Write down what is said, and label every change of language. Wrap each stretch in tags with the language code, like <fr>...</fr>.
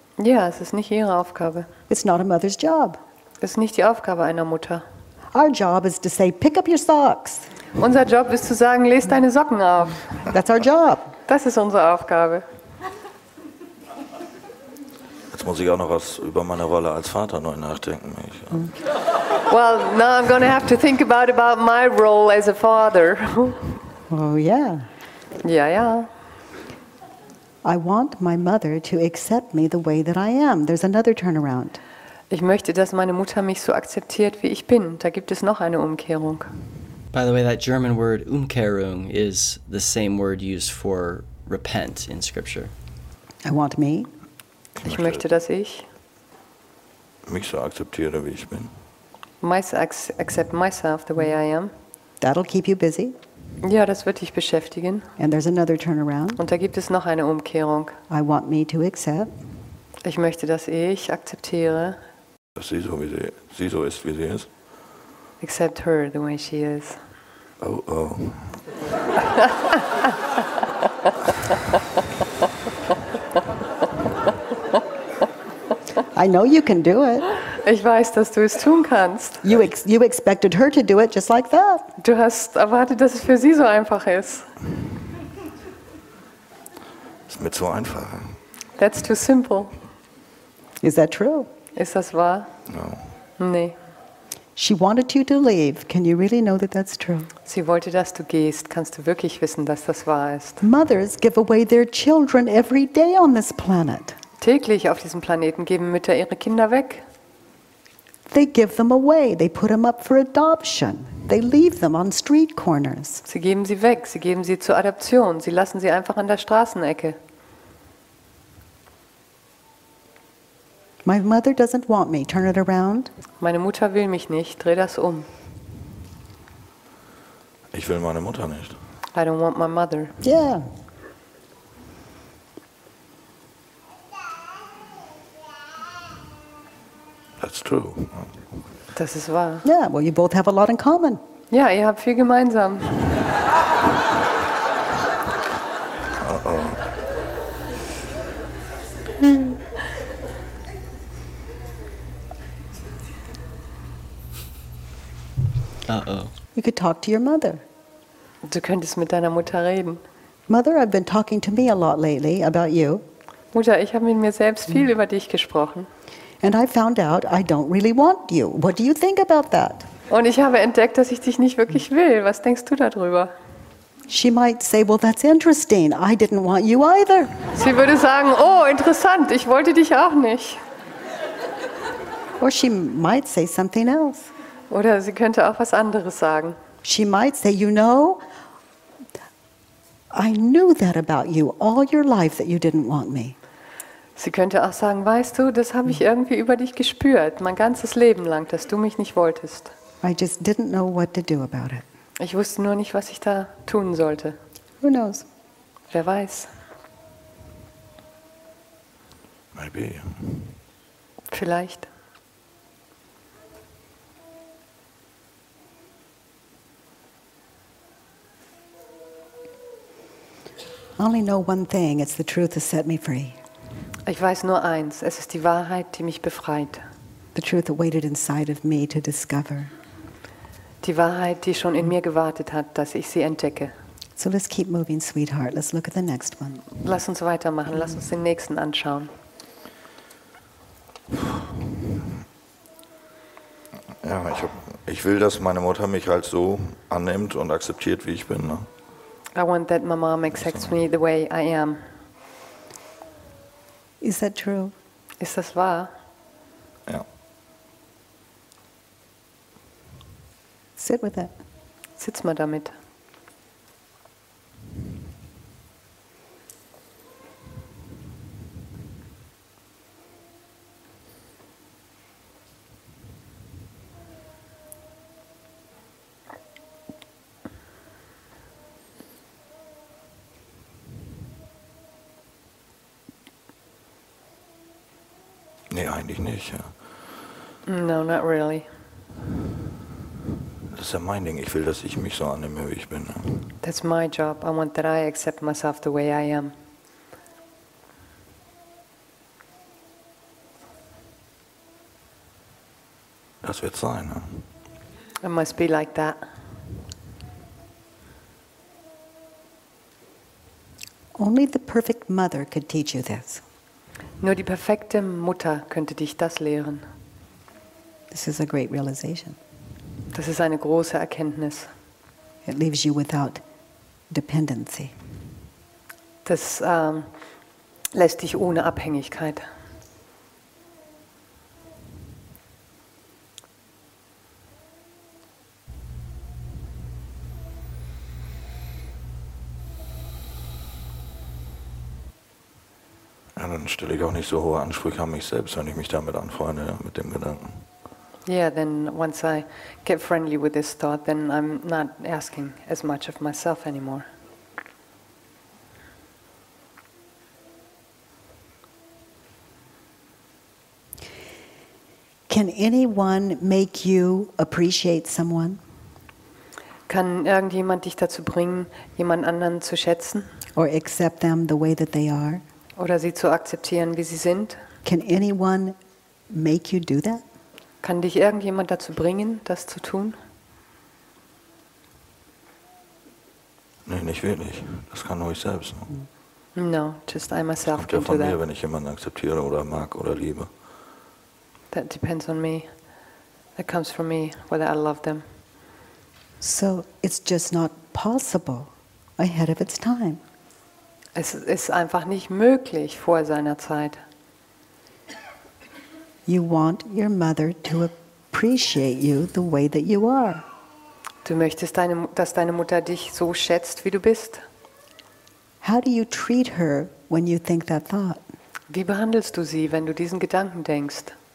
<de>Ja, es ist nicht ihre Aufgabe.</de> <en>It's not a mother's job.</en> <de>Es ist nicht die Aufgabe einer Mutter.</de> <en>Our job is to say, pick up your socks.</en> <de>Unser Job ist zu sagen, lese deine Socken auf.</de> <en>That's our job. Das ist unsere Aufgabe.</en> <de>Jetzt muss ich auch noch was über meine Rolle als Vater neu nachdenken. Ich, ja.</de> <en>Well, now I'm going to have to think about my role as a father. Oh, yeah. Yeah, yeah. I want my mother to accept me the way that I am. There's another turnaround.</en> <de>Ich möchte, dass meine Mutter mich so akzeptiert, wie ich bin. Da gibt es noch eine Umkehrung.</de> <en>By the way, that German word Umkehrung is the same word used for repent in scripture. I want me.</en> <de>Ich möchte, dass ich mich so akzeptiere, wie ich bin.</de> <en>Accept myself the way I am. That'll keep you busy.</en> <de>Ja, das wird dich beschäftigen.</de> <en>And there's another turnaround.</en> <de>Und da gibt es noch eine Umkehrung.</de> <en>I want me to accept.</en> <de>Ich möchte, dass ich akzeptiere. Dass sie so, wie sie so ist, wie sie ist.</de> <en>Accept her the way she is. Oh, oh. I know you can do it.</en> <de>Ich weiß, dass du es tun kannst.</de> <en>You expected her to do it just like that.</en> <de>Du hast erwartet, dass es für sie so einfach ist. Ist mir zu einfach.</de> <en>That's too simple. Is that true?</en> <de>Ist das wahr?</de> <en>No.</en> <de>Nee.</de> <en>She wanted you to leave. Can you really know that that's true?</en> <de>Sie wollte, dass du gehst. Kannst du wirklich wissen, dass das wahr ist?</de> <en>Mothers give away their children every day on this planet.</en> <de>Täglich auf diesem Planeten geben Mütter ihre Kinder weg.</de> <en>They give them away. They put them up for adoption. They leave them on street corners.</en> <de>Sie geben sie weg. Sie geben sie zur Adoption. Sie lassen sie einfach an der Straßenecke.</de> <en>My mother doesn't want me. Turn it around.</en> <de>Meine Mutter will mich nicht. Dreh das um. Ich will meine Mutter nicht.</de> <en>I don't want my mother. Yeah. That's true.</en> <de>Das ist wahr.</de> <en>Yeah, well, you both have a lot in common.</en> <de>Ja, ihr habt viel gemeinsam.</de> <en>Uh-oh. You could talk to your mother.</en> <de>Du könntest mit deiner Mutter reden.</de> <en>Mother, I've been talking to me a lot lately about you.</en> <de>Mutter, ich habe mit mir selbst viel über dich gesprochen.</de> <en>And I found out I don't really want you. What do you think about that?</en> <de>Und ich habe entdeckt, dass ich dich nicht wirklich will. Was denkst du darüber?</de> <en>She might say, well, that's interesting. I didn't want you either.</en> <de>Sie würde sagen, oh, interessant. Ich wollte dich auch nicht.</de> <en>Or she might say something else.</en> <de>Oder sie könnte auch was anderes sagen.</de> <en>She might say, you know, I knew that about you all your life that you didn't want me.</en> <de>Sie könnte auch sagen, weißt du, das habe ich irgendwie über dich gespürt, mein ganzes Leben lang, dass du mich nicht wolltest.</de> <en>I just didn't know what to do about it.</en> <de>Ich wusste nur nicht, was ich da tun sollte.</de> <en>Who knows?</en> <de>Wer weiß?</de> <en>Maybe.</en> <de>Vielleicht.</de> <en>I only know one thing, it's the truth that set me free.</en> <de>Ich weiß nur eins, es ist die Wahrheit, die mich befreit.</de> <en>The truth that waited inside of me to discover.</en> <de>Die Wahrheit, die schon in mir gewartet hat, dass ich sie entdecke.</de> <en>So let's keep moving, sweetheart. Let's look at the next one.</en> <de>Lass uns weitermachen, lass uns den nächsten anschauen. Ja, ich will, dass meine Mutter mich halt so annimmt und akzeptiert, wie ich bin, ne?</de> <en>I want that my mom accepts me the way I am. Is that true?</en> <de>Ist das wahr? Ja.</de> <en>Sit with that.</en> <de>Sitz mal damit. Nee, eigentlich nicht, ja.</de> <en>No, not really.</en> <de>Das ist ja mein Ding. Ich will, dass ich mich so annehme, wie ich bin.</de> <en>That's my job. I want that I accept myself the way I am.</en> <de>Das wird sein, ne?</de> <en>It must be like that. Only the perfect mother could teach you this.</en> <de>Nur die perfekte Mutter könnte dich das lehren.</de> <en>This is a great realization.</en> <de>Das ist eine große Erkenntnis.</de> <en>It leaves you without dependency.</en> <de>Das lässt dich ohne Abhängigkeit. Dann stelle ich auch nicht so hohe Ansprüche an mich selbst, wenn ich mich damit anfreunde, mit dem Gedanken.</de> <en>Yeah, then once I get friendly with this thought, then I'm not asking as much of myself anymore. Can anyone make you appreciate someone?</en> <de>Kann irgendjemand dich dazu bringen, jemand anderen zu schätzen?</de> <en>Or accept them the way that they are?</en> <de>Oder sie zu akzeptieren, wie sie sind?</de> <en>Can anyone make you do that?</en> <de>Kann dich irgendjemand dazu bringen, das zu tun? Nein, nicht wirklich. Das kann nur ich selbst.</de> <en>No, just I myself can do that.</en> <de>Das kommt ja von mir, wenn ich jemanden akzeptiere oder mag oder liebe.</de> <en>That depends on me. That comes from me, whether I love them. So it's just not possible ahead of its time.</en> <de>Es ist einfach nicht möglich vor seiner Zeit.</de> <en>You want your mother to appreciate you the way that you are.</en> <de>Du möchtest, dass deine Mutter dich so schätzt, wie du bist.</de> <en>How do you treat her when you think that thought?</en> <de>Wie behandelst du sie, wenn du diesen Gedanken denkst?</de>